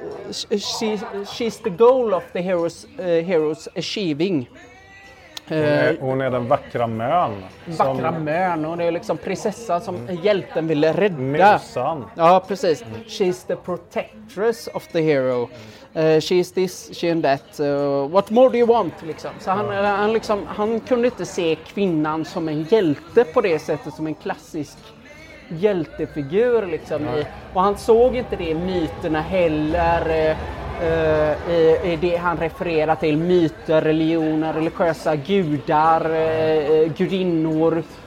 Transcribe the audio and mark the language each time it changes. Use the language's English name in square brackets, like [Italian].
[English] She's the goal of the hero's achieving. [Swedish] Hon är den vackra mön. Vackra mön, hon är liksom prinsessan som hjälten ville rädda. Musan. Ja, precis. [English] She's the protectress of the hero. She's this, she and that. What more do you want? [Swedish] Liksom. Så han kunde inte se kvinnan som en hjälte på det sättet, som en klassisk hjältefigur. Liksom. Mm. Och han såg inte det i myterna heller. I det han refererar till myter, religioner, religiösa gudar, gudinnor.